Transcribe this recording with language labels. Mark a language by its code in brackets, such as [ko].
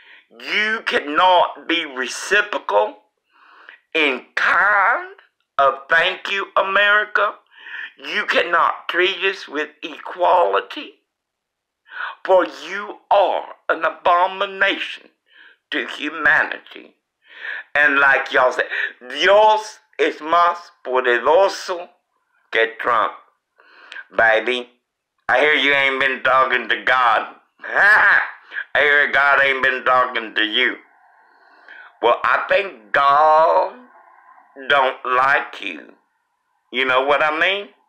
[en] You cannot be reciprocal in kind of thank you, America. You cannot treat us with equality. For you are an abomination to humanity. And like y'all say, [es] Dios es más poderoso que Trump. [en] Baby, I hear you ain't been talking to God. I hear God ain't been talking to you. Well, I think God don't like you. You know what I mean?